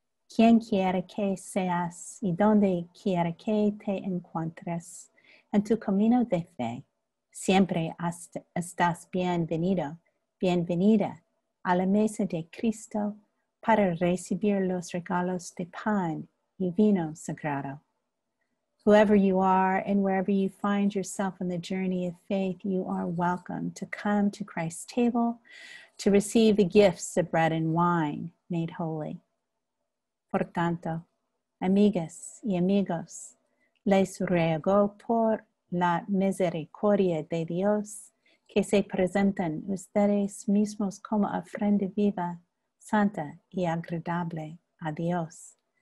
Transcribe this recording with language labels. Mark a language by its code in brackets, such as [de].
[es] ¿Quién quiere que seas y dónde quiere que te encuentres en tu camino de fe? Siempre estás bienvenido, bienvenida a la mesa de Cristo para recibir los regalos de pan y vino sagrado. [en] Whoever you are and wherever you find yourself in the journey of faith, you are welcome to come to Christ's table to receive the gifts of bread and wine made holy. [es] Por tanto, amigas y amigos, les ruego por la misericordia de Dios que se presenten ustedes mismos como ofrenda viva, santa y agradable a Dios.